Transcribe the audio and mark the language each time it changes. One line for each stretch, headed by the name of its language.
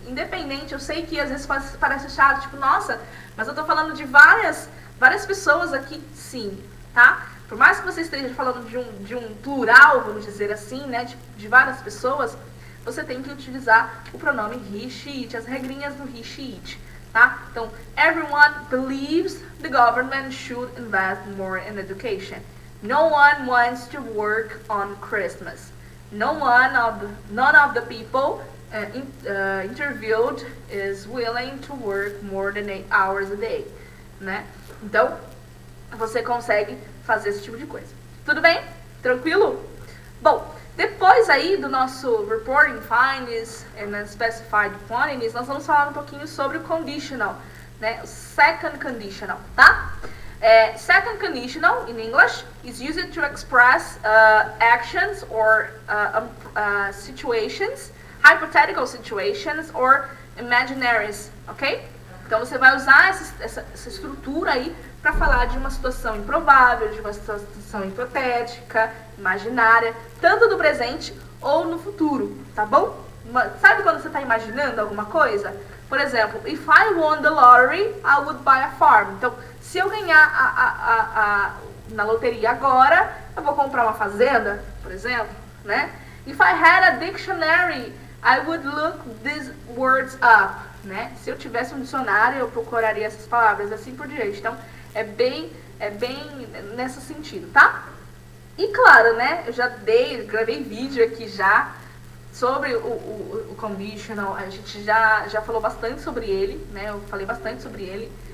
Portuguese: Independente, eu sei que às vezes parece chato, tipo, nossa, mas eu tô falando de várias pessoas aqui, sim, tá? Por mais que você esteja falando de um plural, vamos dizer assim, né? De várias pessoas, você tem que utilizar o pronome he, she, it, as regrinhas do he, she, it, tá? Então,
English: everyone believes the government should invest more in education. No one wants to work on Christmas. None of the people interviewed is willing to work more than 8 hours a day,
Portuguese: né? Então, você consegue fazer esse tipo de coisa. Tudo bem? Tranquilo? Bom, depois aí do nosso
English: reporting findings and specified quantities,
Portuguese: nós vamos falar um pouquinho sobre o conditional, né?
English: Second conditional,
Portuguese: tá?
English: Second conditional in English is used to express actions or situations, hypothetical situations or imaginaries, ok?
Portuguese: Então você vai usar essa estrutura aí para falar de uma situação improvável, de uma situação hipotética, imaginária, tanto no presente ou no futuro, tá bom? Sabe quando você está imaginando alguma coisa? Por exemplo,
English: if I won the lottery, I would buy a farm.
Portuguese: Então, se eu ganhar na loteria agora, eu vou comprar uma fazenda, por exemplo, né?
English: If I had a dictionary, I would look these words up,
Portuguese: né? Se eu tivesse um dicionário, eu procuraria essas palavras, assim por diante. Então, é bem nesse sentido, tá? E claro, né? Eu já gravei vídeo aqui já sobre o conditional. A gente já falou bastante sobre ele, né? Eu falei bastante sobre ele.